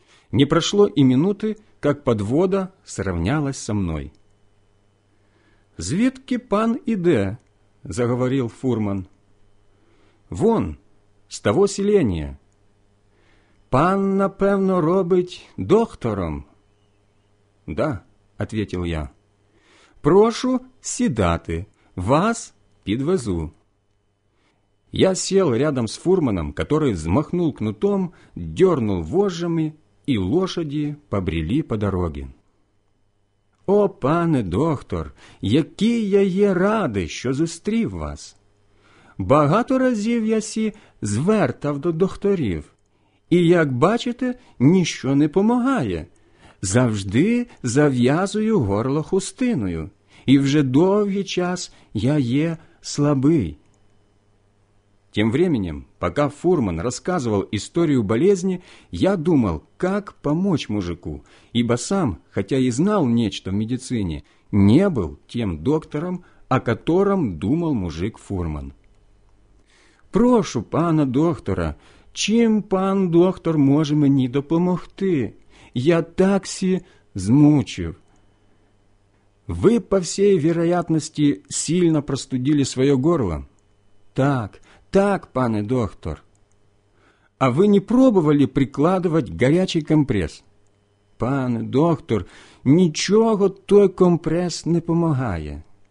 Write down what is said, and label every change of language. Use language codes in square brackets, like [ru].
[ru] Не прошло и минуты, как подвода сравнялась со мной. [uk] «Звідки пан іде?» – [ru] заговорил фурман. «Вон, с того селения». [uk] «Пан, напевно, робить доктором?» [ru] «Да», – ответил я. [uk] «Прошу сідати, вас підвезу». [ru] Я сел рядом с фурманом, который взмахнул кнутом, дернул вожжами, и лошади побрели по дороге. [uk] «О, пане доктор, який я є радий, що зустрів вас! Багато разів я сі звертав до докторів, і, як бачите, ніщо не помагає. Завжди зав'язую горло хустиною, і вже довгий час я є слабий». [ru] Тем временем, пока фурман рассказывал историю болезни, я думал, как помочь мужику, ибо сам, хотя и знал нечто в медицине, не был тем доктором, о котором думал мужик-фурман. [uk] «Прошу пана доктора, чим пан доктор може мені допомогти? Я таксі змучив». [ru] «Вы, по всей вероятности, сильно простудили свое горло?» [uk] «Так, так, пане доктор». [ru] «А вы не пробовали прикладывать горячий компресс?» [uk] «Пане доктор, [ru] ничего [uk] той компресс не помогає».